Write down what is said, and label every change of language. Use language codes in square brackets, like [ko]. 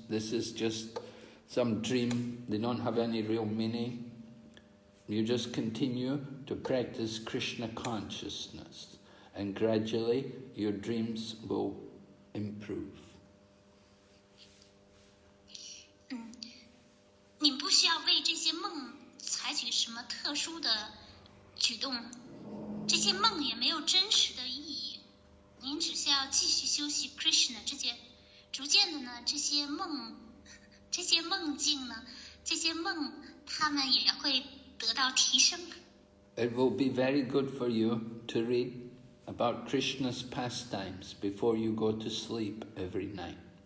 [en] This is just some dream. They don't have any real meaning. You just continue to practice Krishna consciousness, and gradually your dreams will improve. [zh] 您不需要为这些梦采取什么特殊的举动，这些梦也没有真实的意义，您只需要继续修习 Krishna 这些，逐渐的呢，这些梦境呢，这些梦，他们也会。 [en] It will be very good for you to read about Krishna's pastimes before you go to sleep every night.